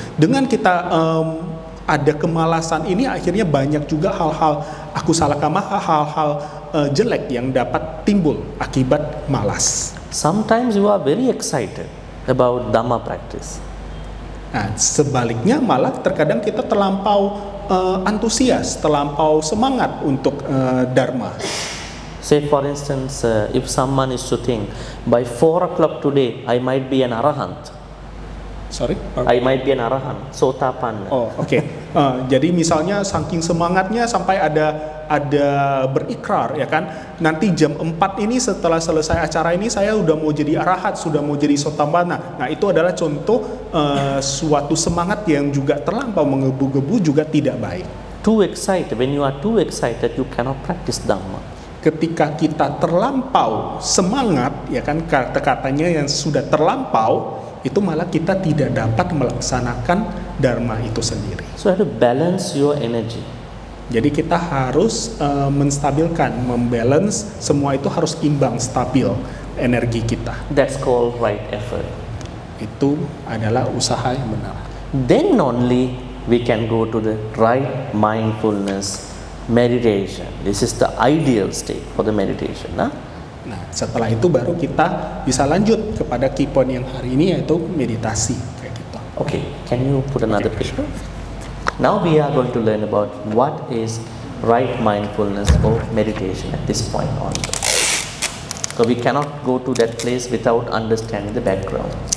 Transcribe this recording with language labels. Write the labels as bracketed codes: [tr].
[id] Dengan kita ada kemalasan ini, akhirnya banyak juga hal-hal akusala kama, hal-hal jelek yang dapat timbul akibat malas. [en] Sometimes you are very excited about dhamma practice. [id] Nah, sebaliknya malah terkadang kita terlampau antusias, terlampau semangat untuk dharma. [en] Say for instance, if someone is to think by 4 o'clock today I might be an arahant. Sorry? I might be an arahant, sotapanna. Oh, okay. [id] Jadi misalnya saking semangatnya sampai ada berikrar, ya kan, nanti jam 4 ini setelah selesai acara ini saya sudah mau jadi arahat, sudah mau jadi sotapanna. Nah, itu adalah contoh suatu semangat yang juga terlampau menggebu-gebu juga tidak baik. [en] Too excited, when you are too excited you cannot practice dhamma. [id] Ketika kita terlampau semangat, ya kan, kata-katanya yang sudah terlampau, itu malah kita tidak dapat melaksanakan dharma itu sendiri. [en] So have to balance your energy. [id] Jadi kita harus menstabilkan, membalance, semua itu harus imbang, stabil energi kita. [en] That's called right effort. [id] Itu adalah usaha yang benar. [en] Then only we can go to the right mindfulness meditation. This is the ideal state for the meditation. [id] Nah, nah setelah itu baru kita bisa lanjut kepada [en] key point [id] yang hari ini, yaitu meditasi. [en] Okay, can you put another picture? Now we are going to learn about what is right mindfulness or meditation at this point on. So we cannot go to that place without understanding the background.